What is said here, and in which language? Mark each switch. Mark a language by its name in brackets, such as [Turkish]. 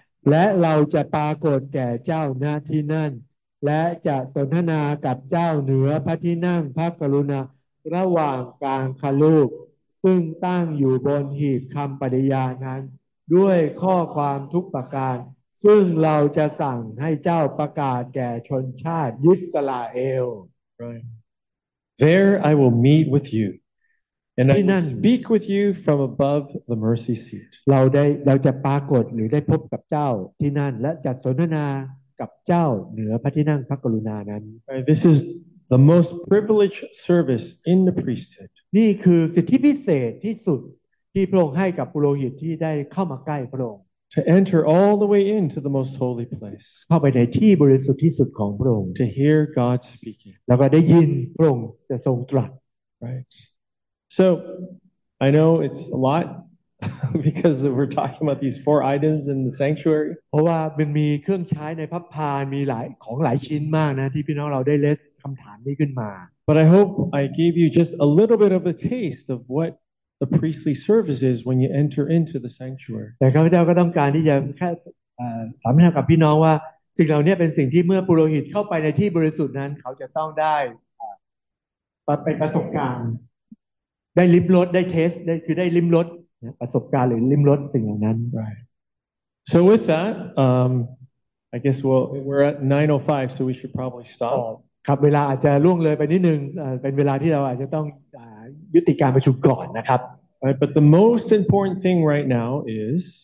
[Thai] และเราจะปรากฏแก่เจ้าณที่นั่นและจะสนทนากับเจ้าเหนือพระที่นั่งพระกรุณาระหว่างกลางคารูปซึ่งตั้งอยู่บนหีบคำปฏิญาณนั้นด้วยข้อความทุกประการซึ่งเราจะสั่งให้เจ้าประกาศแก่ชนชาติอิสราเอล [English] Right. There I will meet with you. And I will speak with you from above the mercy seat. [Thai] เราจะปรากฏหรือได้พบกับเจ้าที่นั่นและจะสนทนากับเจ้าเหนือพระที่นั่งพระกรุณานั้น [English] This is the most privileged service in the priesthood. [Thai] นี่คือสิทธิพิเศษที่สุดที่พระองค์ให้กับปุโรหิตที่ได้เข้ามาใกล้พระองค์ [English] To enter all the way into the most holy place. [Thai] เข้าไปในที่บริสุทธิ์ที่สุดของพระองค์ [English] To hear God speaking. [Thai] แล้วก็ได้ยินพระองค์จะทรงตรัส [English] Right. So, I know it's a lot because we're talking about these four items in the sanctuary. [Thai] เพราะว่ามันมีเครื่องใช้ในพระพานมีหลายของหลายชิ้นมากนะที่พี่น้องเราได้เลสคำถามนี้ขึ้นมา [English] But I hope I gave you just a little bit of a taste of what the priestly service is when you enter into the sanctuary. [Thai] แต่ข้าพเจ้าก็ต้องการที่จะแค่สัมผัสกับพี่น้องว่าสิ่งเหล่านี้เป็นสิ่งที่เมื่อปุโรหิตเข้าไปในที่บริสุทธิ์นั้นเขาจะต้องได้ไปประสบการณ์ได้ลิ้มรสได้เทสได้คือได้ลิ้มรสประสบการณ์หรือลิ้มรสสิ่งเหล่านั้น [English] Right. So with that, I guess we're at 9:05, so we should probably stop. [Thai] ครับเวลาอาจจะล่วงเลยไปนิดนึงเป็นเวลาที่เราอาจจะต้องยุติการประชุมก่อนนะครับ [English] But the most important thing right now is